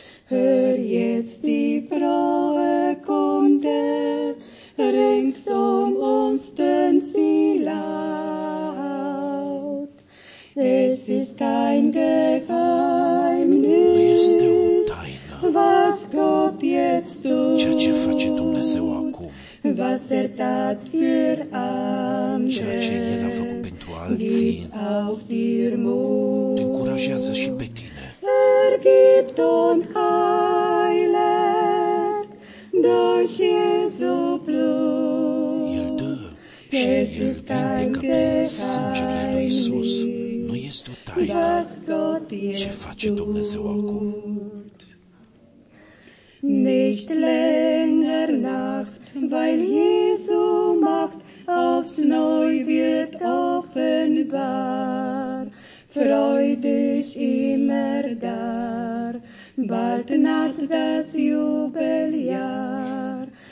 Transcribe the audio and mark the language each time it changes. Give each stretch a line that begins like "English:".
German: Hör jetzt die frohe Kunde, rings um uns tönt sie laut. Es ist kein Geheimnis, was Gott jetzt tut,
Romanian: ceea ce face Dumnezeu acum,
German: was er tat für andere,
Romanian: ceea ce El a făcut pentru alții,
German: auch dir Mut,
Romanian: te încurajează și pe tine.
German: Vergibt und heilet durch Jesu Blut.
Romanian: El dă și El vindecă prin sângele lui Iisus. Nu este o taină ce face Dumnezeu acum.
German: Nicht länger Nacht, weil Jesu Macht aufs Neu wird offenbar. Freu dich immer da, bald naht das Jubeljahr.